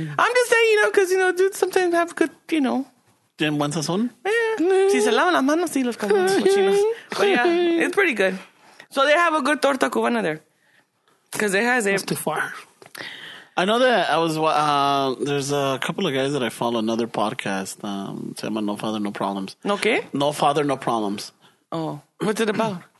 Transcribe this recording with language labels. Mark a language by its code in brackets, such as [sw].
[en] I'm just saying, you know, because, you know, dudes sometimes have good, you know. [es] ¿Tienen buen sazón? [en] Yeah. [es] Si se lavan las manos, sí, los cabrones cochinos. [en] But yeah, it's pretty good. So they have a good torta cubana there. Because it has it. It's too far. I know that I was, there's a couple of guys that I follow, another podcast. [es] Se llama No Father, No Problems. No qué? [en] No Father, No Problems. Oh. What's it about?